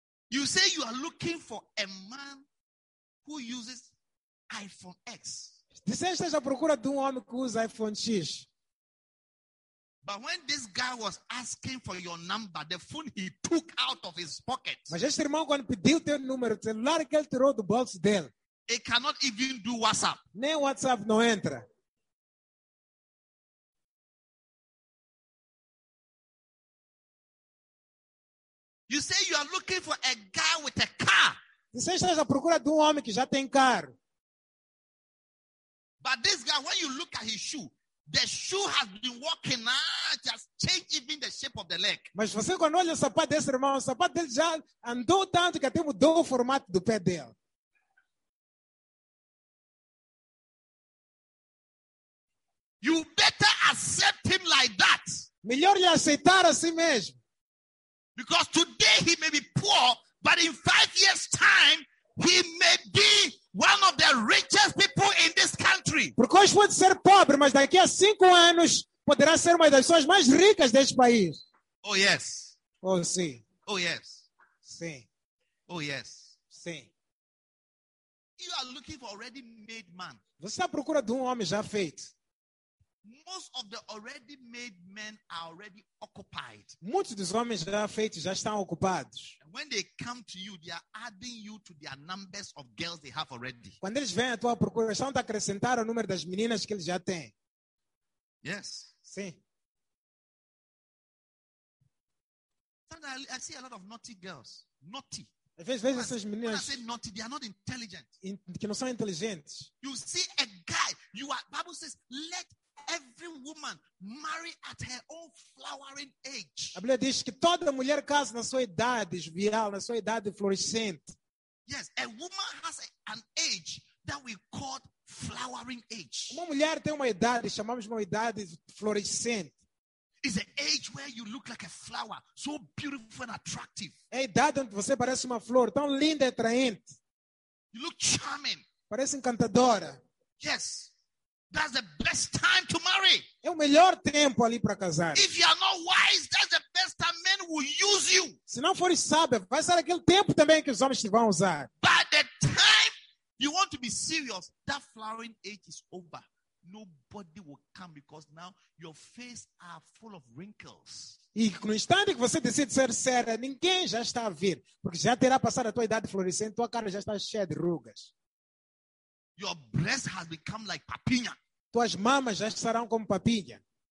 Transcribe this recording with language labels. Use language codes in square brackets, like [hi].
[en] You say you are looking for a man who uses iPhone X. [pt] Dizem que estás à procura de homem que usa iPhone X. [en] But when this guy was asking for your number, the phone he took out of his pocket. [pt] Mas este irmão quando pediu teu número, o celular que ele tirou do bolso dele. [en] It cannot even do WhatsApp. [pt] Nem WhatsApp não entra. [en] You say you are looking for a guy with a car. [pt] Você está à procura de homem que já tem carro. [en] But this guy, when you look at his shoe, the shoe has been walking out, has changed even the shape of the leg. [pt] Mas você quando olha o sapato desse irmão, o sapato dele já andou tanto que até mudou o formato do pé dele. [en] You better accept him like that. [pt] Melhor lhe aceitar assim mesmo. [en] Because today he may be poor, but in 5 years' time, he may be one of the richest people in this country. [pt] Porque hoje pode ser pobre, mas daqui a 5 anos poderá ser uma das pessoas mais ricas deste país. [en] Oh, yes. [pt] Oh, sim. [en] Oh, yes. [pt] Sim. [en] Oh, yes. [pt] Sim. [en] You are looking for already made man. [pt] Você está à procura de homem já feito. [en] Most of the already made men are already occupied. [pt] Muitos dos homens já feitos já estão ocupados. [en] And when they come to you, they are adding you to their numbers of girls they have already. [pt] Quando eles vêm à tua procura, eles estão a acrescentar o número das meninas que eles já têm. [en] Yes. [pt] Sim. [en] Sometimes I see a lot of naughty girls. Naughty. [pt] Às vezes essas meninas. [en] When I say naughty, they are not intelligent. [pt] Que não são inteligentes. [en] You see a guy, you are. Bible says, let every woman marry at her own flowering age. [pt] A Bíblia diz que toda mulher casa na sua idade jovial, na sua idade florescente. [en] Yes, a woman has an age that we call flowering age. [pt] Uma mulher tem uma idade, chamamos uma idade florescente. [en] It's an age where you look like a flower, so beautiful and attractive. [pt] É a idade onde você parece uma flor, tão linda e atraente. [en] You look charming. [pt] Parece encantadora. [en] Yes. That's the best time to marry. [pt] É o melhor tempo ali para casar. [en] If you are not wise, that's the best time men will use you. [pt] Se não fores sábio, vai ser aquele tempo também que os homens te vão usar. [en] By the time you want to be serious, that flowering age is over. Nobody will come because now your face are full of wrinkles. [pt] E no instante que você decide ser sério, ninguém já está a vir. Porque já terá passado a tua idade florescente, tua cara já está cheia de rugas. [en] Your breast has become like papinha. [pt] Tuas mamas já estarão como papinha.